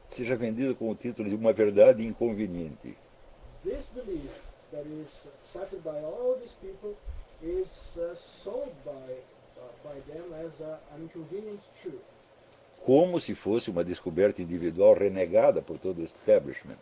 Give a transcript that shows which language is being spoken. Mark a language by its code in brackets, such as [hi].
[pt] seja vendido com o título de uma verdade inconveniente. [en] This belief that is accepted by all these people is sold by them as an inconvenient truth. [pt] Como se fosse uma descoberta individual renegada por todo o establishment.